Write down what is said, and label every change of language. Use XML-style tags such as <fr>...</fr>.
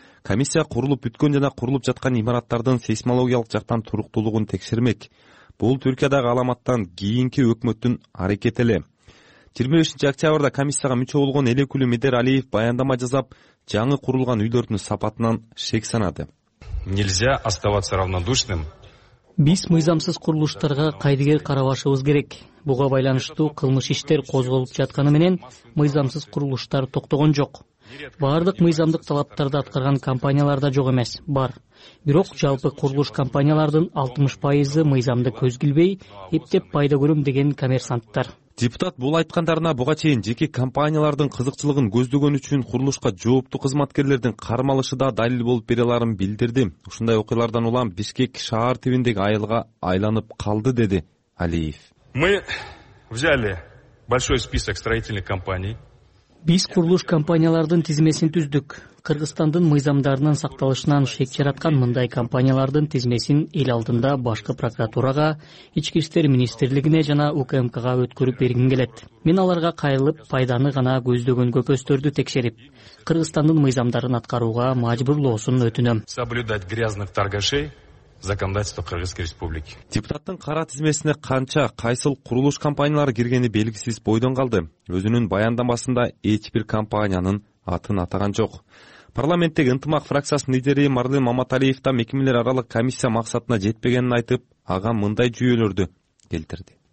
<ky>Комиссия курулуп бүткөн жана курулуп жаткан имараттардын сейсмологиялык жактан туруктуулугун текшермек. Бул Түркиядагы аламаттан кийинки өкмөттүн аракети эле. 25 октябрда комиссияга мүчө болгон эл өкүлү Медер Алиев баяндама жасап, жаңы курулган үйлөрдүн сапатынан шек санады.</ky> <ru>Нельзя оставаться равнодушным.</ru> <ky>Биз мыйзамсыз курулуштарга кайдыгер карабашыбыз керек. Буга байланыштуу кылмыш иштер козголуп жатканы менен мыйзамсыз курулуштар токтогон жок. Бардык мыйзамдык талаптарды аткарган компаниялар да жок эмес, бар. Бирок жалпы курулуш компаниялардын 60% мыйзамды көз килбей, эптеп пайда көрөм деген коммерсанттар. Депутат бул айткандарына буга чейин жеке компаниялардын кызыкчылыгын көздөгөн үчүн курулушка жооптуу кызматкерлердин кармалышы да далил болуп бере аларын билдирди. Ушундай окуялардан улам Бишкек шаар тибиндеги айылга айланып калды, деди Алиев.</ky> <ru>Мы взяли большой список строительных компаний.</ru> <ky>Биз курулуш компаниялардын тизмесин түздүк. Кыргызстандын мыйзамдарынын сакталышынан шек жараткан мындай компаниялардын тизмесин эл алдында башкы прокуратурага, ички иштер министрлигине жана УКМКга өткөрүп бергим келет. Мен аларга кайрылып, пайданы гана көздөгөн көпөстөрдү текшерип, Кыргызстандын мыйзамдарын аткарууга мажбурлоосун өтүнөм.</ky> <ru>Соблюдать грязных торгашей. Законодательство Кыргызской Республики.</ru> <ky>Депутаттын кара тизмесине канча, кайсыл курулуш компаниялары киргени белгисиз бойдон калды. Өзүнүн баяндамасында эч бир компаниянын атын атаган жок. Парламенттеги ынтымак фракциясынын лидери Марлен Маматалиев да мекемелер аралык комиссия максатына жетпегенин айтып, ага мындай жүйөлөрдү келтирди.</ky>